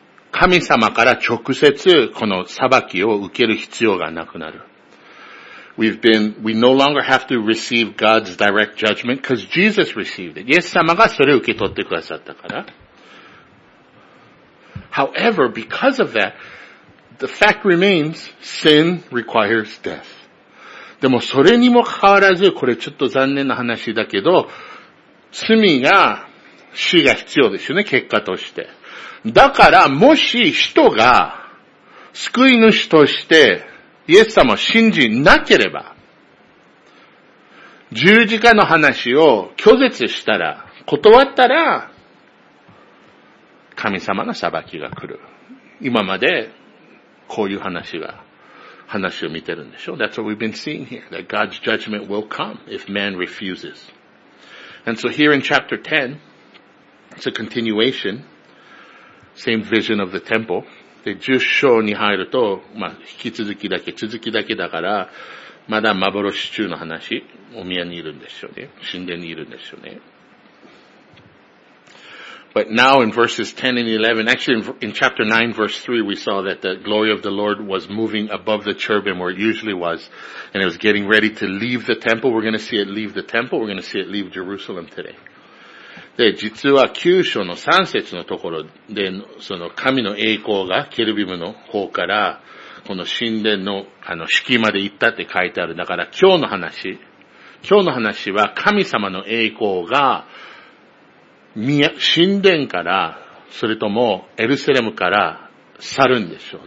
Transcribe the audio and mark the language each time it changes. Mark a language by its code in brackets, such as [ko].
[ja] 神様から直接この裁きを受ける必要がなくなる。 [en] We no longer have to receive God's direct judgment because Jesus received it. [ja] イエス様がそれを受け取ってくださったから。 [en] However, because of that, the fact remains, sin requires death. [ja] でもそれにもかかわらず、これちょっと残念な話だけど、罪が死が必要ですよね、結果として。だからもし人が救い主としてイエス様を信じなければ、十字架の話を拒絶したら、断ったら、神様の裁きが来る。今までこういう話を見てるんでしょう。 [en] That's what we've been seeing here, that God's judgment will come if man refuses. And so here in chapter 10, it's a continuation, same vision of the temple. [ja] で、10章に入ると、まあ、引き続きだけ、続きだけだから、まだ幻中の話、お宮にいるんでしょうね。神殿にいるんでしょうね。 [en] But now in verses 10 and 11, actually in chapter 9 verse 3, we saw that the glory of the Lord was moving above the cherubim where it usually was, and it was getting ready to leave the temple. We're going to see it leave the temple. We're going to see it leave Jerusalem today. [ja] で、実は9章の3節のところで、その神の栄光がケルビムの方から、この神殿の敷居まで行ったって書いてある。だから今日の話は神様の栄光が、神殿から、それともエルサレムから去るんでしょう。